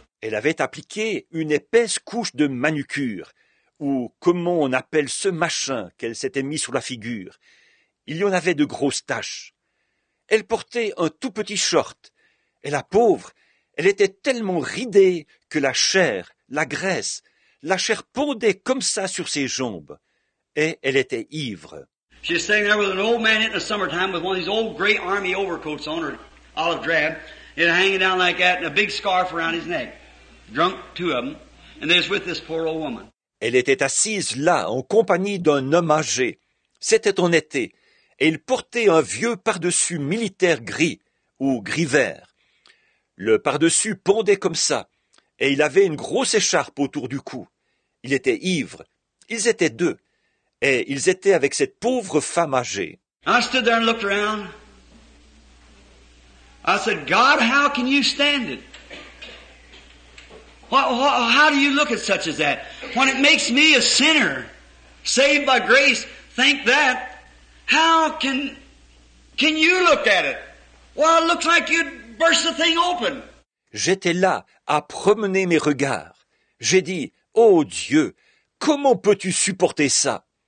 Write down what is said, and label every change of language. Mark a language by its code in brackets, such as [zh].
[fr] Elle avait appliqué une épaisse couche de manucure, ou comment on appelle ce machin qu'elle s'était mis sur la figure. Il y en avait de grosses taches. Elle portait un tout petit short, et la pauvre, elle était tellement ridée que la chair, la graisse, la chair pendait comme ça sur ses jambes, et elle était ivre. [en] She was sitting there with an old man in the summertime with one of these old gray army overcoats on, or olive drab, and hanging down like that, and a big scarf around his neck. Drunk, two of them. And they was with this poor old woman. [fr] Elle était assise là, en compagnie d'un homme âgé. C'était en été. Et il portait un vieux pardessus militaire gris, ou gris vert. Le pardessus pendait comme ça. Et il avait une grosse écharpe autour du cou. Il était ivre. Ils étaient deux. Et ils étaient avec cette pauvre femme âgée. [en] I stood there and looked around. I said, God, how can you stand it? How do you look at such as that? When it makes me a sinner, saved by grace, think that. How can you look at it? Well, it looks like you'd burst the thing open. [fr] J'étais là à promener mes regards. J'ai dit, oh Dieu, comment peux-tu supporter ça?